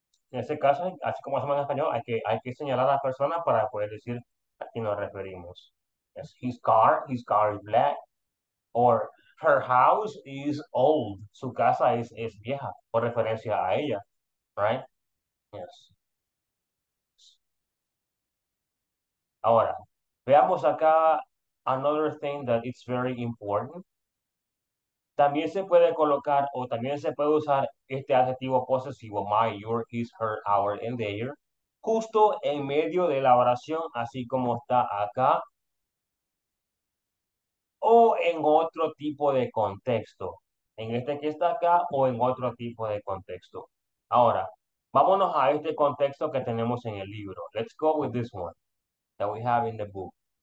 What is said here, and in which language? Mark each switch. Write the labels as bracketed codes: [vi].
[es] En ese caso, así como hacemos en español, hay que señalar a la persona para poder decir a quién nos referimos. [en] Es his car is black. Or her house is old. [es] Su casa es vieja, por referencia a ella. [en] Right? Yes. [es] Ahora, veamos acá [en] another thing that it's very important. [es] También se puede colocar o también se puede usar este adjetivo posesivo, my, your, his, her, our, and their, justo en medio de la oración, así como está acá, o en otro tipo de contexto, en este que está acá o en otro tipo de contexto. Ahora, vámonos a este contexto que tenemos en el libro. [en] Let's go with this one that we have in the book.